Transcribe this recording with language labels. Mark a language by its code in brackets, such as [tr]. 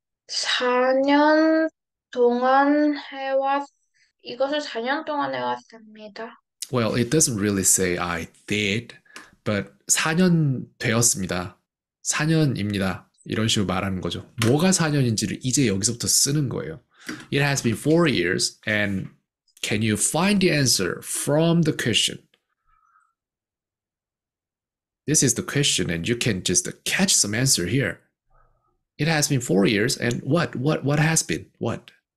[ko] 4년 동안 이것을 4년 동안 해왔습니다. [en] Well, it doesn't really say I did, but 4년 되었습니다. 4년입니다. [ko] 이런 식으로 말하는 거죠. 뭐가 4년인지를 이제 여기서부터 쓰는 거예요. [en] It has been 4 years and can you find the answer from the question? This is the question and you can just catch some answer here. It has been 4 years and what has been? What?